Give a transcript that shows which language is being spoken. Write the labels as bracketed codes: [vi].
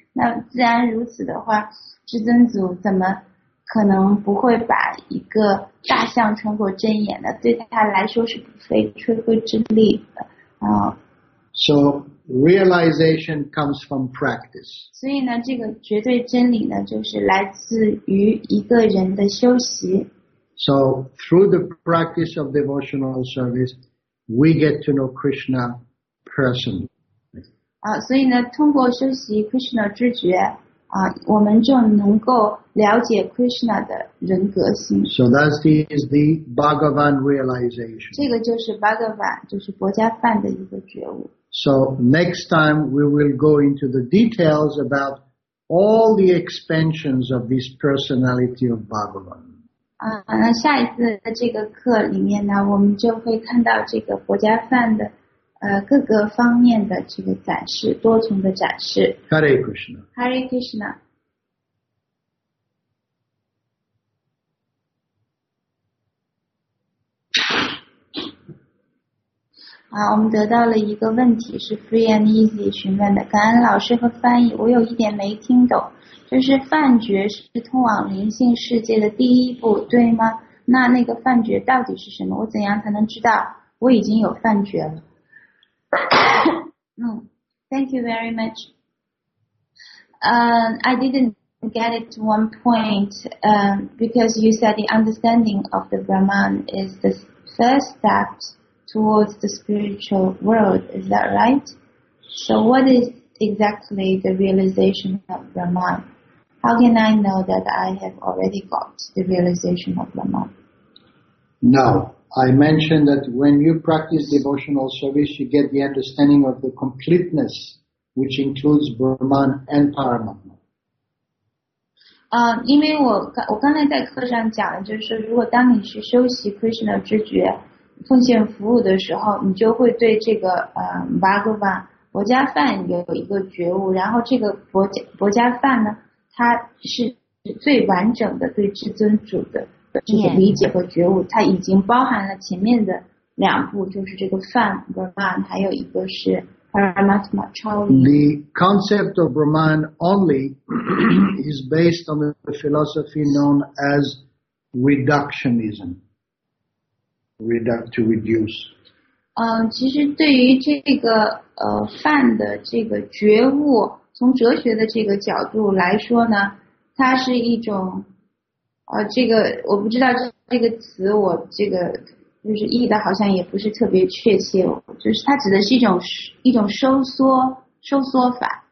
[zh] 那既然如此的话，至尊祖怎么可能不会把一个大象穿过针眼呢？对他来说是不费吹灰之力的啊。 [en] So realization comes from practice. [zh] 所以呢，这个绝对真理呢，就是来自于一个人的修习。 [en] So through the practice of devotional service, we get to know Krishna personally. [zh] 所以呢，通过修习 Krishna 知觉我们就能够了解 Krishna 的人格性。 [en] So that is the Bhagavan realization. [zh] 这个就是 Bhagavan, 就是薄伽梵的一个觉悟。 [en] So next time we will go into the details about all the expansions of this personality of Bhagavan. [zh] 那下一次的这个课里面呢，我们就会看到这个薄伽梵的各个方面的这个展示，多重的展示。 [sa] Hare Krishna. Hare Krishna. [zh] 我们得到了一个问题，是 Free and Easy 询问的，感恩老师和翻译，我有一点没听懂，就是梵觉是通往灵性世界的第一步，对吗？那个梵觉到底是什么？我怎样才能知道我已经有梵觉了？ [en] Thank you very much. I didn't get it to one point, because you said the understanding of the Brahman is the first step towards the spiritual world. Is that right? So what is exactly the realization of Brahman? How can I know that I have already got the realization of Brahman? No. I mentioned that when you practice devotional service, you get the understanding of the completeness, which includes Brahman and Paramatma. [zh] 因为我刚才在课上讲的就是，如果当你是修习 Krishna 知觉、奉献服务的时候，你就会对这个Bhagavan 薄伽梵有一个觉悟，然后这个薄伽梵呢，它是最完整的对至尊主的。这个理解和觉悟，它已经包含了前面的两步，就是这个梵 Brahman， 还有一个是 Paramatma Chali。 [en] The concept of Brahman only is based on the philosophy known as reductionism. To reduce. [zh] 其实对于这个梵的这个觉悟，从哲学的这个角度来说呢，它是一种。这个我不知道这个词，我这个就是译的好像也不是特别确切，就是它指的是一种收缩法。